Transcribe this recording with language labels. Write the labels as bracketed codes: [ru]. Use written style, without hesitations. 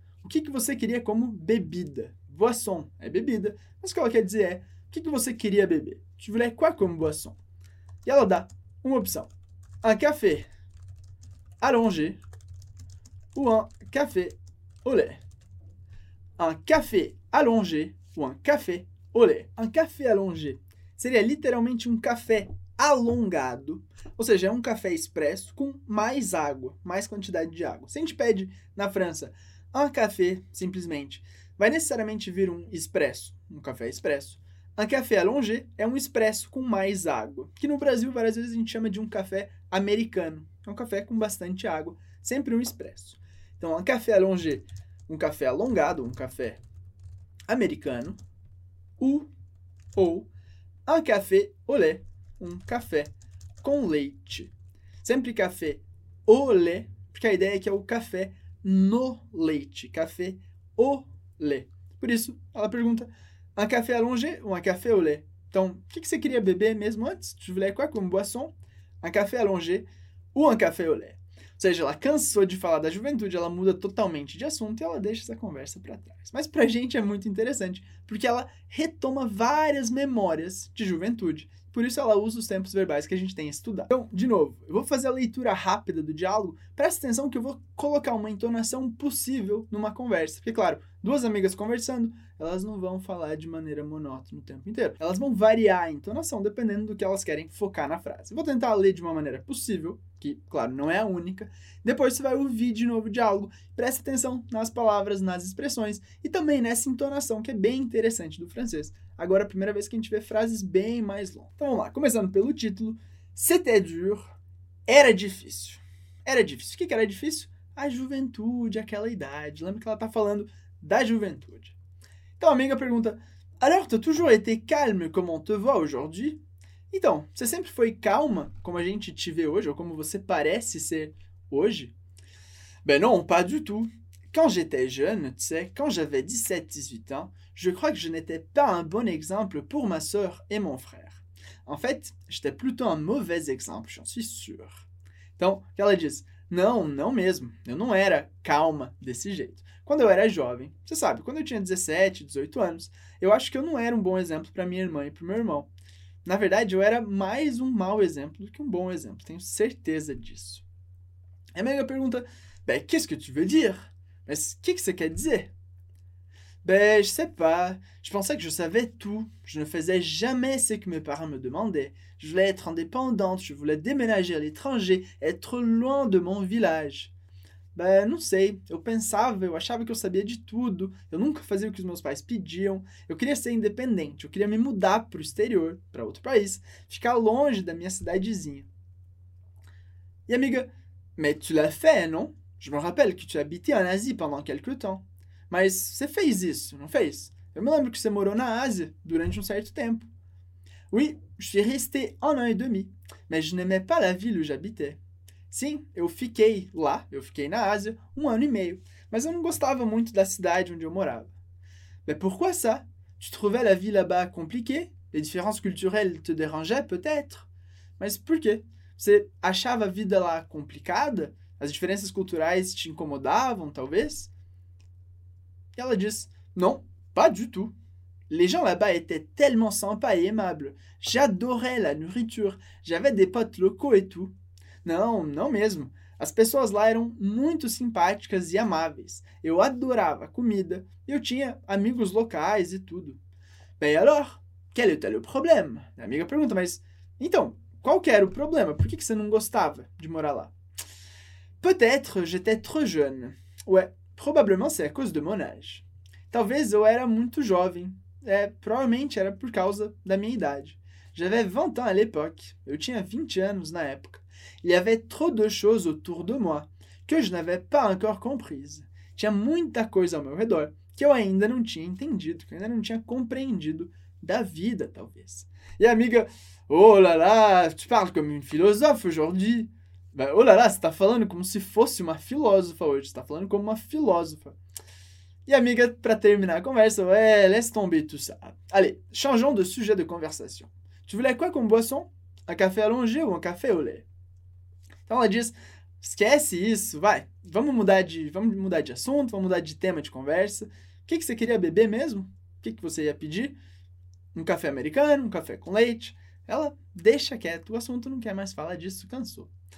[pt] O que, que você queria como bebida? Boisson é bebida, mas o que ela quer dizer é, o que, que você queria beber? [fr] Tu voulais quoi comme boisson? [pt] E ela dá uma opção. [fr] Un café allongé ou un café au lait. Un café allongé ou un café au lait. Un café allongé [pt] seria literalmente um café alongado, ou seja, é um café expresso com mais água, mais quantidade de água. Se a gente pede na França un café, simplesmente, vai necessariamente vir um expresso, um café expresso. [fr] Un café allongé [pt] é um expresso com mais água, que no Brasil várias vezes a gente chama de um café americano. É um café com bastante água, sempre um expresso. Então, [fr] un café allongé, [pt] um café alongado, um café americano. Ou [fr] un café au lait, [pt] um café com leite. Sempre café au lait, porque a ideia é que é o café no leite, café au lait. Por isso, ela pergunta... [fr] Un café allongé ou un café au lait? [pt] Então, o que, que você queria beber mesmo antes? [fr] Tu voulais quoi comme boisson? Un café allongé ou un café au lait? [pt] Ou seja, ela cansou de falar da juventude, ela muda totalmente de assunto e ela deixa essa conversa para trás. Mas pra gente é muito interessante, porque ela retoma várias memórias de juventude. Por isso ela usa os tempos verbais que a gente tem estudado. Então, de novo, eu vou fazer a leitura rápida do diálogo. Presta atenção que eu vou colocar uma entonação possível numa conversa. Porque, claro, duas amigas conversando, elas não vão falar de maneira monótona o tempo inteiro. Elas vão variar a entonação dependendo do que elas querem focar na frase. Eu vou tentar ler de uma maneira possível, que, claro, não é a única. Depois você vai ouvir de novo o diálogo. Presta atenção nas palavras, nas expressões e também nessa entonação que é bem interessante do francês. Agora é a primeira vez que a gente vê frases bem mais longas. Então vamos lá, começando pelo título. [fr] C'était dur. [pt] Era difícil. Era difícil. O que era difícil? A juventude, aquela idade. Lembra que ela está falando da juventude. Então a amiga pergunta, [fr] alors t'as toujours été calme comme on te voit aujourd'hui? [pt] Então, você sempre foi calma como a gente te vê hoje, ou como você parece ser hoje? [fr] Ben non, pas du tout. Quand j'étais jeune, tu sais, quand j'avais 17-18 ans, je crois que je n'étais pas un bon exemple pour ma sœur et mon frère. En fait, j'étais plutôt un mauvais exemple, j'en suis sûr. [pt] Então, ela diz, não, não mesmo, eu não era calma desse jeito. Quando eu era jovem, você sabe, quando eu tinha 17, 18 anos, eu acho que eu não era um bom exemplo para minha irmã e para meu irmão. Na verdade, eu era mais um mau exemplo do que um bom exemplo, tenho certeza disso. A amiga pergunta, bem, [fr] qu'est-ce que tu veux dire? [pt] Mas o que você quer dizer? [fr] Ben, je sais pas, je pensais que je savais tout, je ne faisais jamais ce que mes parents me demandaient, je voulais être indépendante, je voulais déménager à l'étranger, être loin de mon village. [pt] Ben, não sei, eu pensava, eu achava que eu sabia de tudo, eu nunca fazia o que os meus pais pediam, eu queria ser independente, eu queria me mudar para o exterior, para outro país, ficar longe da minha cidadezinha. E amiga, [fr] mais tu l'as fait, non? Je me rappelle que tu habitais en Asie pendant quelque temps. [pt] Mas você fez isso, não fez? Eu me lembro que você morou na Ásia durante um certo tempo. [fr] Oui, je suis resté un an et demi, mais je n'aimais pas la ville où j'habitais. [pt] Sim, eu fiquei lá, eu fiquei na Ásia, um ano e meio, mas eu não gostava muito da cidade onde eu morava. [fr] Mais pourquoi ça? Tu trouvais la vie là-bas compliquée? Les différences culturelles te dérangeaient peut-être? [pt] Mas por quê? Você achava a vida lá complicada? As diferenças culturais te incomodavam, talvez? E ela diz, [fr] non, pas du tout. Les gens là-bas étaient tellement sympas et aimables. J'adorais la nourriture. J'avais des potes locaux et tout. [pt] Não, não mesmo. As pessoas lá eram muito simpáticas e amáveis. Eu adorava a comida. Eu tinha amigos locais e tudo. [fr] Ben alors, quel était le problème? [pt] A amiga pergunta, mas, então, qual que era o problema? Por que você não gostava de morar lá? [fr] Peut-être j'étais trop jeune. Ouais. Probablement c'est à cause de mon âge. [pt] Talvez eu era muito jovem. É, provavelmente era por causa da minha idade. [fr] J'avais 20 ans à l'époque. [pt] Eu tinha 20 anos na época. [fr] Il y avait trop de choses autour de moi que je n'avais pas encore comprise. [pt] Tinha muita coisa ao meu redor que eu ainda não tinha entendido, que eu ainda não tinha compreendido da vida, talvez. E amiga, [fr] oh là là, tu parles comme une philosophe aujourd'hui. [pt] Ben, oh là là, você tá falando como se fosse uma filósofa hoje, você tá falando como uma filósofa. E amiga, pra terminar a conversa, [fr] ouais, laisse tomber tout ça. Allez, changeons de sujet de conversation. Tu voulais quoi comme boisson? Un café allongé ou un café au lait? [pt] Então ela diz, esquece isso, vai, vamos mudar de assunto, vamos mudar de tema de conversa. O que você queria beber mesmo? O que você ia pedir? Um café americano, um café com leite? Ela deixa quieto, o assunto não quer mais falar disso, cansou.